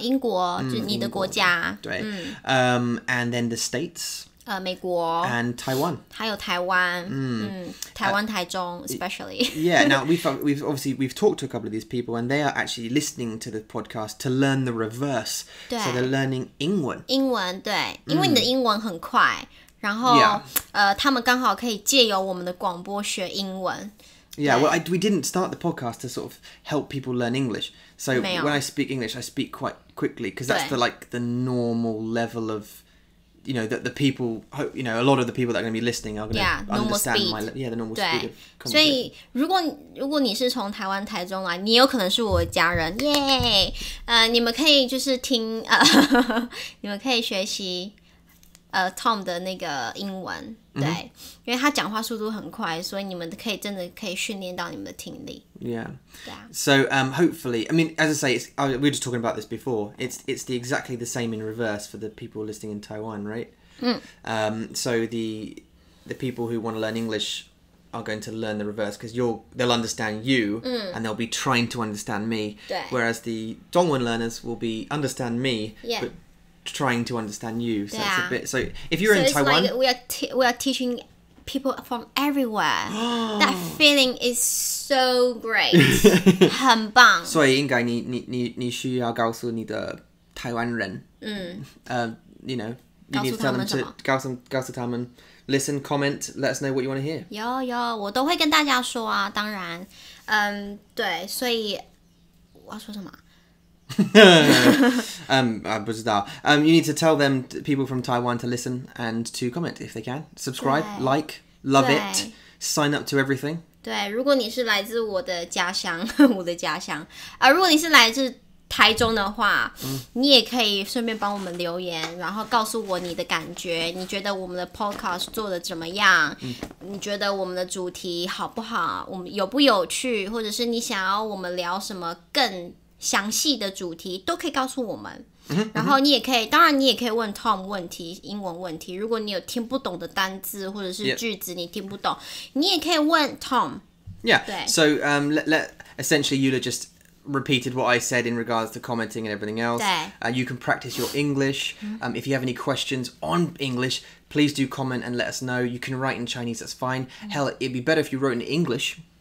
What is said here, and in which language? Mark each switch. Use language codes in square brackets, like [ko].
[zh] 英国，就是你的国家。对。 [en] And then the States. [zh] 美国 [en] and Taiwan, [zh] 还有台湾，嗯，台湾台中 [en] especially. Yeah, now we've talked to a couple of these people and they are actually listening to the podcast to learn the reverse. [zh] 对 [en] so they're learning [zh] 英文。英文对，因为你的英文很快，然后、 [en] yeah. [zh] 他们刚好可以借由我们的广播学英文。 [en] Yeah, well, we didn't start the podcast to sort of help people learn English. So when I speak English, I speak quite quickly because that's the normal level of. You know, the people, you know, a lot of the people that are going to be listening are going to understand my, yeah, the normal speed of conversation. [zh] 所以如果你是从台湾台中来，你有可能是我的家人，耶、 [en] yeah! ！ [zh] 你们可以就是听，你们可以学习，Tom 的那个英文，对， mm-hmm. 因为他讲话速度很快，所以你们可以真的可以训练到你们的听力。 [en] Yeah. So hopefully, I mean, as I say, we were just talking about this before. It's the exactly the same in reverse for the people listening in Taiwan, right? Mm. So the people who want to learn English are going to learn the reverse because they'll understand you mm. and they'll be trying to understand me. [zh] 对 [en] whereas the Dongwen learners will be understand me. Yeah. But trying to understand you. So yeah. It's a bit. So if you're so in Taiwan, like we are teaching. People from everywhere. That feeling is so great. [zh] 很棒。所以应该你需要告诉你的台湾人。嗯。 [en] You know, you need to tell them to [zh] 告诉他们 [en] listen, comment, let us know what you want to hear. [zh] 有，我都会跟大家说啊，当然。嗯，对，所以我要说什么？ [en] I [zh] 不知道 [en] you need to tell them people from Taiwan to listen and to comment if they can subscribe like love it sign up to everything [zh] 对如果你是来自我的家乡我的家乡、如果你是来自台中的话、嗯、你也可以顺便帮我们留言然后告诉我你的感觉你觉得我们的 podcast 做得怎么样、嗯、你觉得我们的主题好不好我们有不有趣或者是你想要我们聊什么更详细的主题都可以告诉我们、嗯、然后你也可以、嗯、当然你也可以问 Tom 问题英文问题如果你有听不懂的单字或者是句子你听不懂、 [en] yeah. [zh] 你也可以问 Tom [en] yeah [zh] 对 [en] so essentially Yula just repeated what I said in regards to commenting and everything else [zh] 对、 [en] you can practice your English、 [zh] 嗯、 [en] if you have any questions on Englishplease do comment and let us know you can write in Chinese that's fine、 [zh] 嗯、 [en] hell it'd be better if you wrote in English、